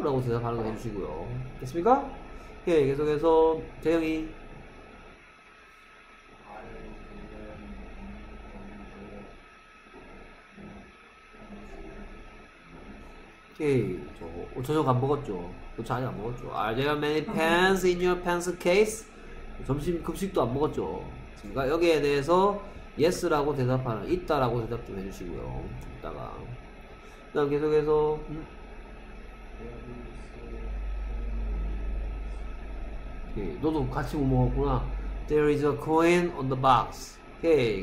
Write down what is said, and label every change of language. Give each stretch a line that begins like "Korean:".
Korean: 라고 대답하는 거 해주시고요. 됐습니까? 예, 계속해서 재영이 오케이. 저녁 안 먹었죠? 도착 아직 안 먹었죠?
English: Are there many pens in your pants case?
Korean: 점심 급식도 안 먹었죠? 됐습니까? 여기에 대해서 yes라고 대답하는, 있다라고 대답 좀 해주시고요. 이따가. 그 다음 계속해서, 오케이. 너도 같이 못 먹었구나.
English: There is a coin on the box.
Korean: 오케이.